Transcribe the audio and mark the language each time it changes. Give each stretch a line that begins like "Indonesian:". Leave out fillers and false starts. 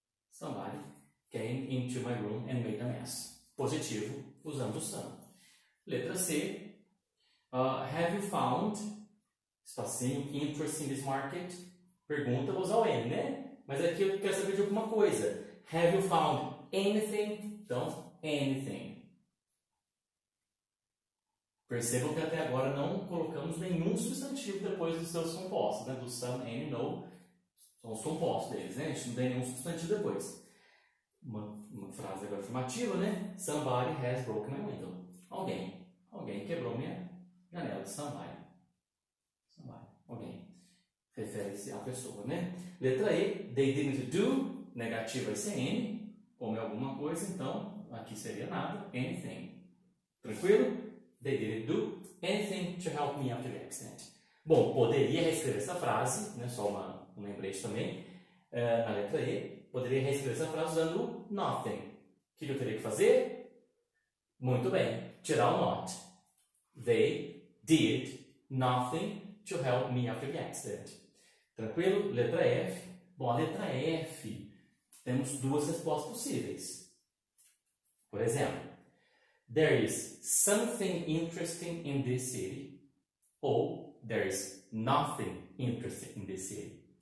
English: Somebody came into my room and made a mess.
Portuguese: Positivo, usando some. Letra C.
English: Have you found, espacinho, interest in this market?
Portuguese: Pergunta, vou usar o N, né? Mas aqui eu quero saber de alguma coisa.
English: Have you found anything?
Portuguese: Então, anything. Percebam que até agora não colocamos nenhum substantivo depois dos seus compostos, né? Do some, any, no. São os compostos deles, né? A gente não tem nenhum substantivo depois. Uma frase agora afirmativa, né?
English: Somebody has broken my window.
Portuguese: Alguém. Alguém quebrou minha janela, somebody. Somebody. Ok. Refere-se à pessoa, né? Letra E,
English: they didn't do,
Portuguese: negativa e CN, como é alguma coisa, então aqui seria nada, anything. Tranquilo?
English: They didn't do anything to help me after the accident.
Portuguese: Bom, poderia reescrever essa frase, né? Só um lembrete também, na letra E, poderia reescrever essa frase usando nothing. O que eu teria que fazer? Muito bem, tirar o not.
English: They did nothing to help me after the accident.
Portuguese: Tranquilo? Letra F. Bom, a letra F, temos duas respostas possíveis. Por exemplo,
English: there is something interesting in this city. Ou, there is nothing interesting in this city.